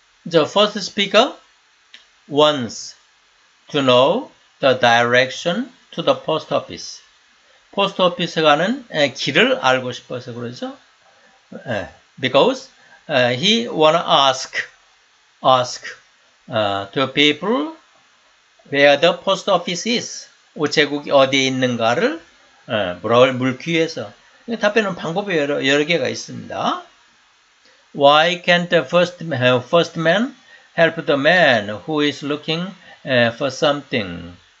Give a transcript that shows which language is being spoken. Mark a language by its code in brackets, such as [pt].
[en] The first speaker wants to know the direction to the post office. [ko] 포스트 오피스 가는 길을 알고 싶어서 그러죠. [en] Because he wanna ask to people where the post office is. [ko] 우체국이 어디에 있는가를 물기 위해서. 답변은 방법이 여러 개가 있습니다. [en] Why can't the first man help the man who is looking for something?